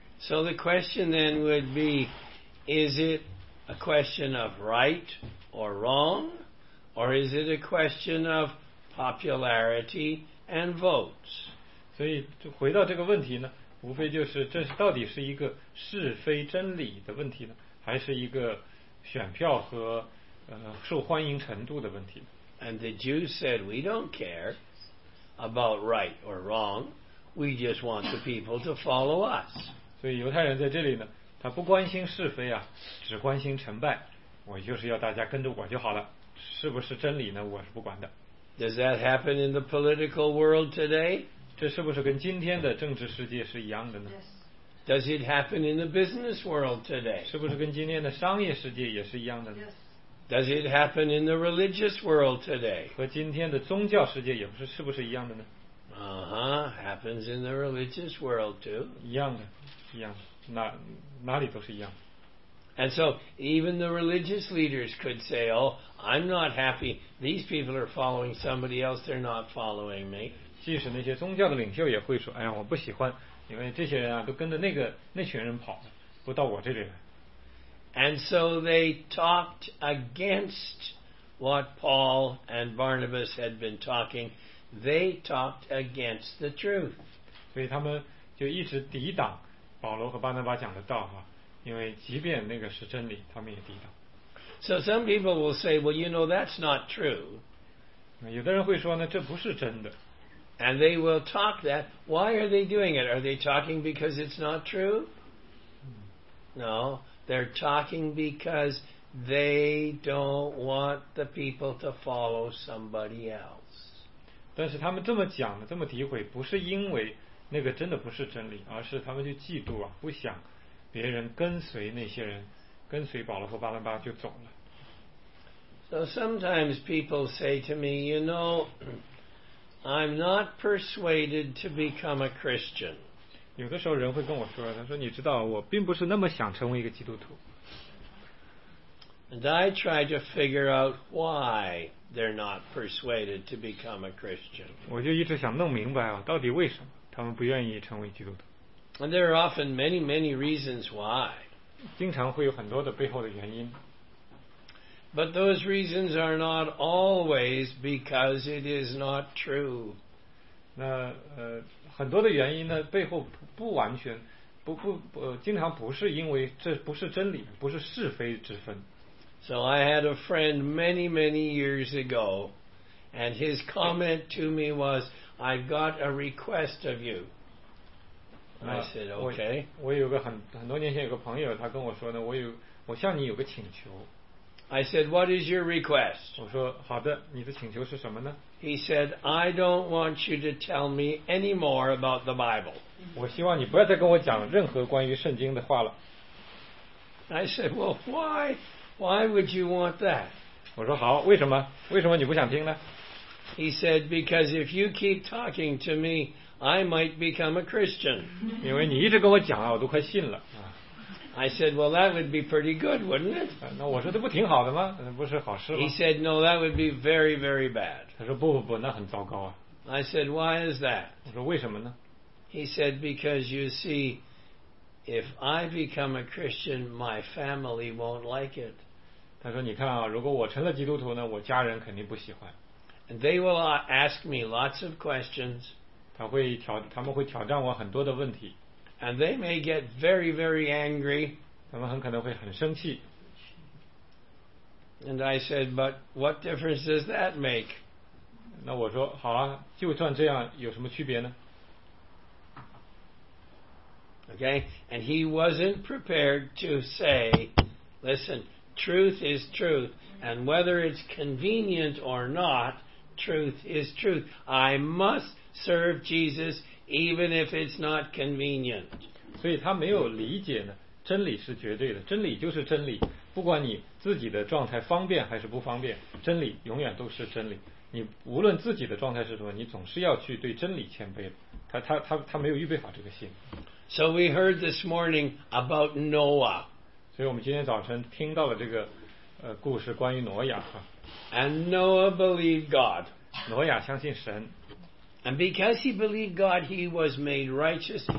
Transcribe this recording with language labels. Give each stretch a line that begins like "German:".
English: So the question then would be, is itA question of right or wrong, or is it a question of popularity and votes?
Chinese: 所以回到这个问题呢，无非就是这是到底是一个是非真理的问题呢，还是一个选票和受欢迎程度的问题呢？
English: And the Jews said, "We don't care about right or wrong. We just want the people to follow us."
Chinese: 所以犹太人在这里呢。他不关心是非啊，只关心成败。我就是要大家跟着我就好了，是不是真理呢？我是不管的。
English: Does that happen in the political world today?
Chinese: 这是不是跟今天的政治世界是一样的呢
English: ？Yes. Does it happen in the business world today?
Chinese: 是不是跟今天的商业世界也是一样的呢
English: ？Yes. Does it happen in the religious world today?
Chinese: 和今天的宗教世界也不是是不是一样的呢
English: ？Uh-huh. Happens in the religious world too.
Chinese: 一样的，一样的。哪里都是一样。
English: And so even the religious leaders could say, "Oh, I'm not happy. These people are following somebody else. They're not following me."
Chinese: 即使那些宗教的领袖也会说，哎呀，我不喜欢，因为这些人啊都跟着那群人跑，不到我这里来。
English: And so they talked against what Paul and Barnabas had been talking. They talked against the truth.
Chinese: 所以他们就一直抵挡。保罗和巴拿巴讲的道哈，因为即便那个是真理，他们也抵挡。
English: So some people will say, "Well, you know, that's not true."
Chinese: 有的人会说呢，这不是真的。
English: And they will talk that. Why are they doing it? Are they talking because it's not true? No, they're talking because they don't want the people to follow somebody else.
Chinese: 但是他们这么讲的，这么诋毁，不是因为。那个真的不是真理，而是他们就嫉妒啊，不想别人跟随那些人，跟随保罗和巴拿巴就走了。
English: So sometimes people say to me, "You know, I'm not persuaded to become a Christian."
Chinese: 有的时候人会跟我说，他说：“你知道，我并不是那么想成为一个基督徒。”
English: And I try to figure out why they're not persuaded to become a Christian.
Chinese: 我就一直想弄明白啊，到底为什么？他们不愿意成为基督徒。
English: And there are often many, many reasons why.
Chinese: 经常会有很多的背后的原因。
English: But those reasons are not always because it is not true.
Chinese: 那很多的原因呢，背后不完全，经常不是因为这不是真理，不是是非之分。
English: So I had a friend many, many years ago, and his comment to me was,I've got a request of you. I said, okay.
Chinese: 我有个很多年前有个朋友，他跟我说呢，我向你有个请求。
English: I said, what is your request?
Chinese: 我说好的，你的请求是什么呢
English: ？He said, I don't want you to tell me any more about the Bible.
Chinese: 我希望你不要再跟我讲任何关于圣经的话了。
English: I said, well, why? Why would you want that?
Chinese: 我说好，为什么？为什么你不想听呢？
English: He said, "Because if you keep talking to me, I might become a Christian."
Chinese: 因为你一直跟我讲啊，我都快信了。
English: I said, "Well, that would be pretty good, wouldn't it?"
Chinese: 那我说这不挺好的吗？不是好事吗
English: ？He said, "No, that would be very, very bad."
Chinese: 他说不不不，那很糟糕啊。
English: I said, "Why is that?"
Chinese: 我说为什么呢
English: ？He said, "Because you see, if I become a Christian, my family won't like it."
Chinese: 他说你看啊，如果我成了基督徒呢，我家人肯定不喜欢。
English: And they will ask me lots of questions.
Chinese: 他们会挑战我很多的问题。
English: And they may get very, very angry.
Chinese: 他们很可能会很生气。
English: And I said, but what difference does that make?
Chinese: 那我说，好啊，就算这样，有什么区别呢？
English: Okay, and he wasn't prepared to say, listen, truth is truth, and whether it's convenient or not, truth is truth. I must serve Jesus even if it's not convenient.
Chinese: 所以他没有理解呢，真理是绝对的，真理就是真理。不管你自己的状态方便还是不方便，真理永远都是真理。你无论自己的状态是什么，你总是要去对真理谦卑的。他没有预备好这个心。
English: So we heard this morning about Noah.
Chinese: 所以我们今天早晨听到了这个故事关于挪亚。
English: And Noah believed God.
Chinese: 挪亚相信神。
English: And because he believed God, he was made righteous.